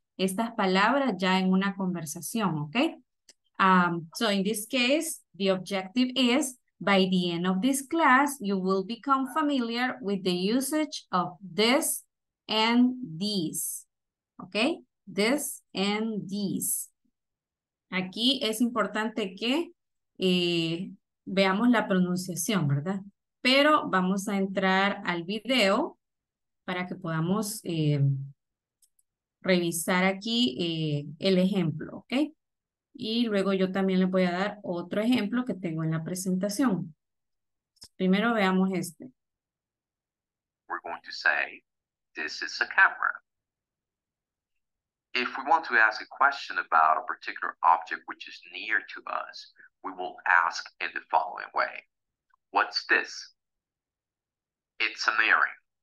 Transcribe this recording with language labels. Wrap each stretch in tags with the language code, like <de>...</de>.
<es>estas palabras ya en una conversación, okay?</es> <en>So in this case, the objective is by the end of this class, you will become familiar with the usage of this and these, okay? This and these.</en> <es>Aquí es importante que veamos la pronunciación, ¿verdad? Pero vamos a entrar al video para que podamos revisar aquí el ejemplo, ¿ok? Y luego yo también les voy a dar otro ejemplo que tengo en la presentación. Primero veamos este.</es> <en>We're going to say, this is a camera. If we want to ask a question about a particular object which is near to us, we will ask in the following way. What's this? It's an earring.</en>